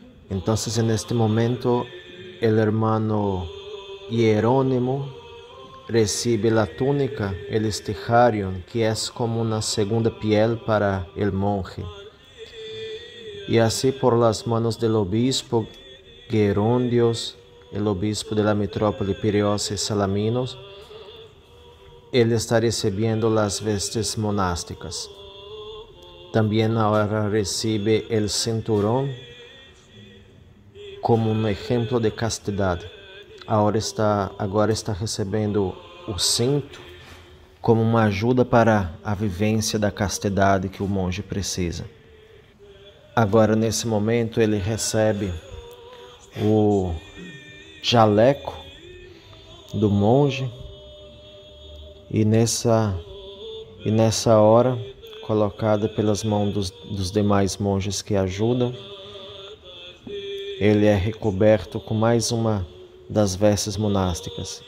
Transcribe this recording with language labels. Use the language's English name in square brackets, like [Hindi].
[Portuguese] Então, neste momento, o irmão Hierônimo recebe a túnica, o estiharion, que é como uma segunda pele para o monge. E assim, [Spanish] por las manos do obispo Gerondios, el obispo de la metrópoli Pireos y Salaminos, él está recibiendo las vestes monásticas. También ahora recibe el cinturón como un ejemplo de castidad. Ahora está recibiendo el cinto como una ayuda para la vivencia de la castidad que el monje precisa. Ahora, en ese momento, él recibe [Portuguese] jaleco do monge, e nessa hora, colocada pelas mãos dos demais monges que ajudam, ele é recoberto com mais uma das vestes monásticas.